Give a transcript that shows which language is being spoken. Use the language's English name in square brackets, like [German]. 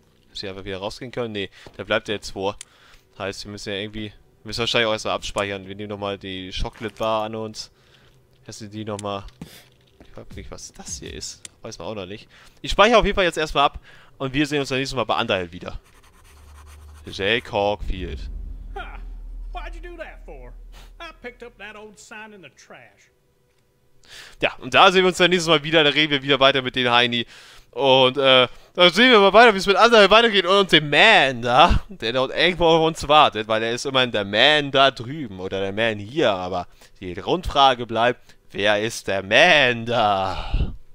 [German] Dass wir einfach wieder rausgehen können? Nee, da bleibt er jetzt vor. Heißt, wir müssen ja irgendwie. Wir müssen wahrscheinlich auch erstmal abspeichern. Wir nehmen nochmal die Chocolate Bar an uns. Lassen die nochmal. Ich weiß nicht, was das hier ist. Weiß man auch noch nicht. Ich speichere auf jeden Fall jetzt erstmal ab und wir sehen uns dann nächstes Mal bei Underhill wieder. [English] Jay Caulfield. Huh. Why'd you do that for? I picked up that old sign in the trash. [German] Ja, und da sehen wir uns dann nächstes Mal wieder. Da reden wir wieder weiter mit den Heini. Und da sehen wir mal weiter, wie es mit anderen weitergeht. Und dem Man da, der dort irgendwo auf uns wartet, weil er ist immerhin der Man da drüben oder der Man hier. Aber die Grundfrage bleibt: Wer ist der Man da?